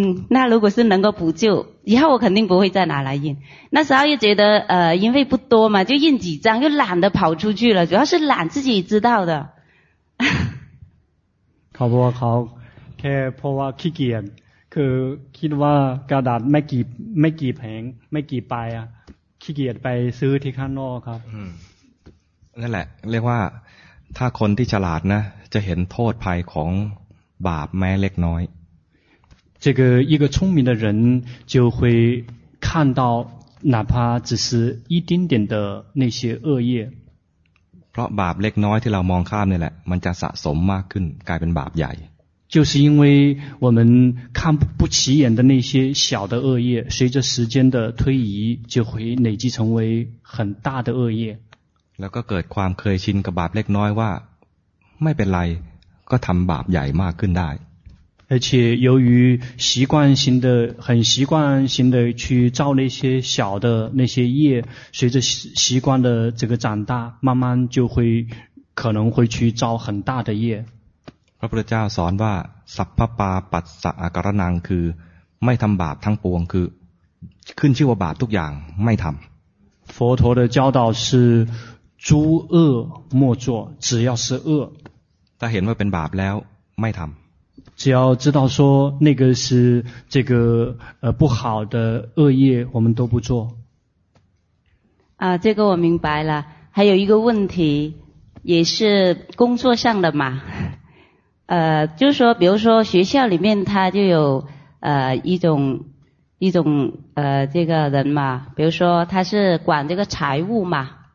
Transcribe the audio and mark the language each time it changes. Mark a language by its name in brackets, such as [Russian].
[Chinese] 那如果是能够补救以后我肯定不会再拿来印那时候又觉得因为不多嘛就印几张又懒得跑出去了主要是懒自己知道的考不考 [Thai] แค่เพราะว่าขี้เกียจคือคิดว่ากระดาษไม่กี่แผงไม่กี่ใบอ่ะขี้เกียจไปซื้อที่ข้างนอกครับ นั่นแหละเรียกว่าถ้าคนที่ฉลาดนะจะเห็นโทษภัยของบาปแม้เล็กน้อย [Chinese] 这个一个聪明的人就会看到哪怕只是一丁点的那些恶业 [Thai] เพราะบาปเล็กน้อยที่เรามองข้ามนี่แหละมันจะสะสมมากขึ้นกลายเป็นบาปใหญ่ [Chinese] 就是因为我们看不起眼的那些小的恶业随着时间的推移就会累积成为很大的恶业 [Thai] แล้วก็เกิดความเคยชินกับบาปเล็กน้อยว่าไม่เป็นไรก็ทำบาปใหญ่มากขึ้นได้ [Chinese] 而且由于习惯性的很习惯性的去造那些小的那些业随着习惯的这个长大慢慢就会可能会去造很大的业 [Thai] พระพุทธเจ้าสอนว่าสัพพปาปัสสะอาการนังคือไม่ทำบาปทั้งปวงคือขึ้นชื่อว่าบาปทุกอย่างไม่ทำ [Chinese] 佛陀的教导是诸恶莫作只要是恶 [Thai] ถ้าเห็นว่าเป็นบาปแล้วไม่ทำ [Chinese] 只要知道说那个是这个不好的恶业我们都不做啊，这个我明白了还有一个问题也是工作上的嘛就是说比如说学校里面他就有一种这个人嘛比如说他是管这个财务嘛